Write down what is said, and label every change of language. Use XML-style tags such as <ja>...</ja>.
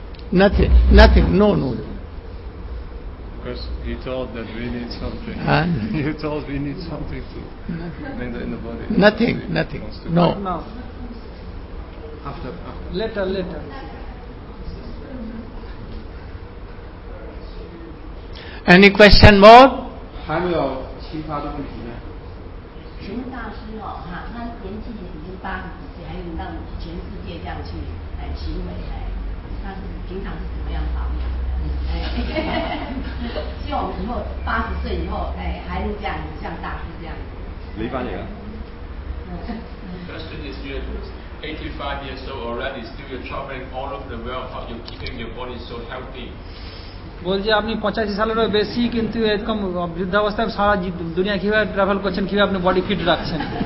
<zh>我们不会害怕死亡的，我不会不怕的。</zh> <en>Nothing, no. Because he told that we need something. You told we need something to maintain in the body. Nothing. No. After. Later. Any question more?</en> <zh>还没有其他的问题呢？请问大师哦，哈，他年纪已经80几岁，还能让全世界这样去来行为，哎，他是平常是怎么样保养的？哎，希望以后80岁以后，哎，还能这样像大师这样。雷班尼啊。</zh> <en>question is, you are 85 years old already, still you're traveling all over the world, how you're keeping your body so healthy?</en> <bn>বলছি আপনি 85 সালেরও বেশি কিন্তু এরকম বৃদ্ধাবস্থায় সারা দুনিয়া কিভাবে travel করছেন, কিভাবে আপনি বডি ফিট রাখছেন?</bn>